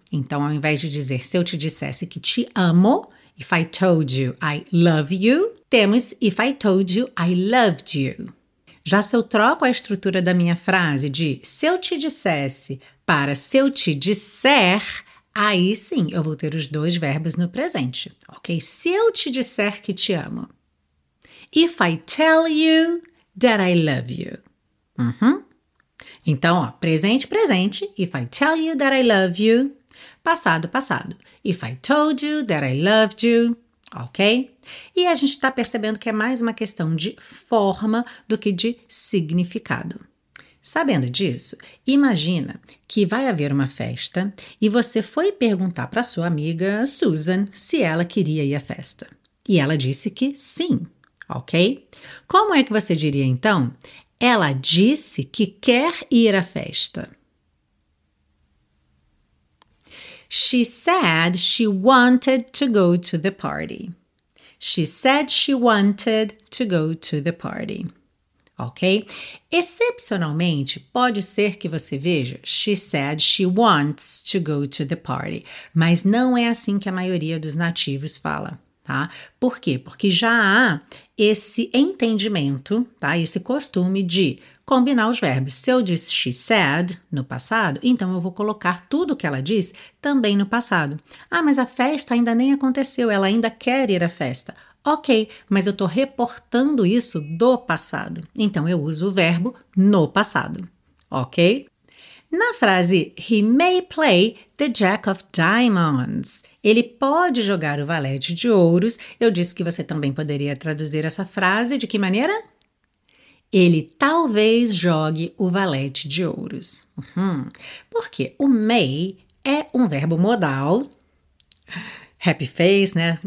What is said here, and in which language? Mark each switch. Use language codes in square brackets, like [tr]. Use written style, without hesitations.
[pt] Então, ao invés de dizer, se eu te dissesse que te amo, [en] if I told you I love you, [pt] temos [en] if I told you I loved you. [pt] Já se eu troco a estrutura da minha frase de se eu te dissesse para se eu te disser, aí sim eu vou ter os dois verbos no presente, ok? Se eu te disser que te amo. [en] If I tell you that I love you. [pt] Então, ó, presente, [en] if I tell you that I love you, [pt] passado, [en] if I told you that I loved you, ok? [pt] E a gente está percebendo que é mais uma questão de forma do que de significado. Sabendo disso, imagina que vai haver uma festa e você foi perguntar para sua amiga Susan se ela queria ir à festa. E ela disse que sim, ok? Como é que você diria então? Ela disse que quer ir à festa. [en] She said she wanted to go to the party. She said she wanted to go to the party. [pt] Ok? Excepcionalmente, pode ser que você veja [en] she said she wants to go to the party. [pt] Mas não é assim que a maioria dos nativos fala, tá? Por quê? Porque já há esse entendimento, tá? Esse costume de combinar os verbos. Se eu disse [en] she said [pt] no passado, então eu vou colocar tudo o que ela disse também no passado. Ah, mas a festa ainda nem aconteceu, ela ainda quer ir à festa. Ok, mas eu estou reportando isso do passado. Então eu uso o verbo no passado. Ok? Na frase [en] He may play the Jack of Diamonds. [pt] Ele pode jogar o valete de ouros. Eu disse que você também poderia traduzir essa frase de que maneira? Ele talvez jogue o valete de ouros. Porque o may é um verbo modal. [en] Happy face, [pt] né?